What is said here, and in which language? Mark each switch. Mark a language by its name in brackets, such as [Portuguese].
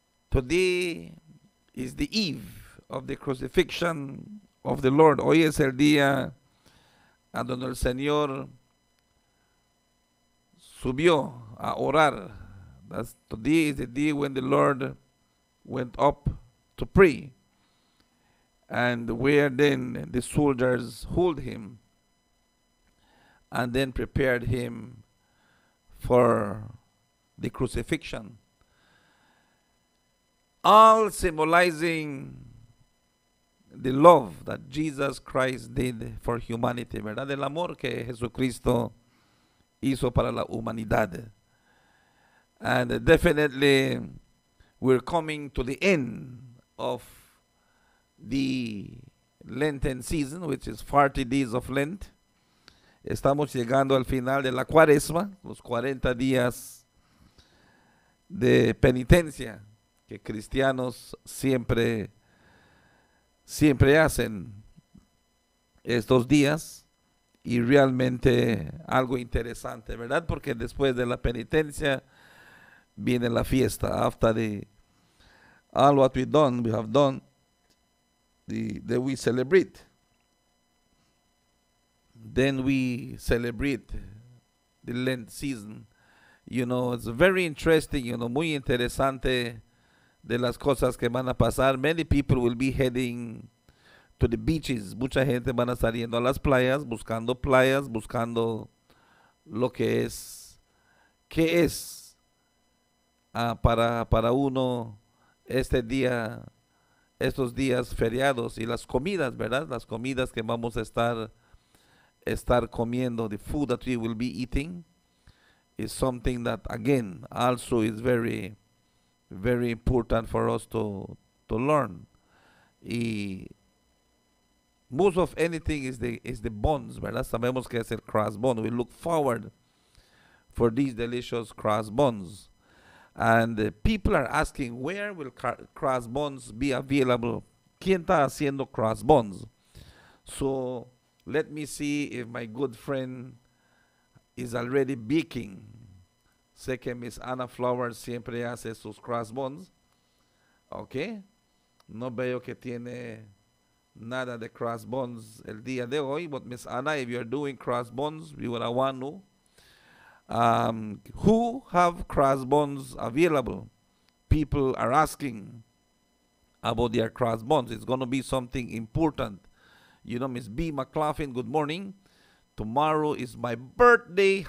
[English] Today is the eve of the crucifixion of the Lord. [Spanish] Hoy es el día a donde el Señor subió a orar. [English] That's, today is the day when the Lord went up to pray, and where then the soldiers held him and then prepared him for the crucifixion, all symbolizing the love that Jesus Christ did for humanity, [Spanish] verdad, el amor que Jesucristo hizo para la humanidad. [English] And definitely we're coming to the end of the Lenten season, which is 40 days of Lent. [Spanish] Estamos llegando al final de la cuaresma, los 40 días de penitencia que cristianos siempre hacen estos días. Y realmente algo interesante, ¿verdad? Porque después de la penitencia viene la fiesta. [English] After the all what we have done, that we celebrate. Then we celebrate the Lent season. You know, it's very interesting, you know, [Spanish] muy interesante de las cosas que van a pasar. [English] Many people will be heading to the beaches. [Spanish] Mucha gente van a estar yendo a las playas, buscando lo que es, para uno este día. Estos días feriados y las comidas, ¿verdad? Las comidas que vamos a estar comiendo, [English] the food that we will be eating, is something that, again, also is very, very important for us to learn. Y most of anything is the bones, ¿verdad? [Spanish] Sabemos que es el [English] cross bone. We look forward for these delicious cross bones. And people are asking, where will cross bones be available? [Spanish] ¿Quién está haciendo [English] cross bones? So Let me see if my good friend is already baking. [Spanish] Second, Miss Anna Flowers, siempre hace sus crossbones. Okay. No veo que tiene nada de crossbones el día de hoy. [English] But Miss Anna, if you're doing crossbones, we would want to. Who have crossbones available? People are asking about their crossbones. It's going to be something important. You know, Miss B. McLaughlin, good morning. Tomorrow is my birthday.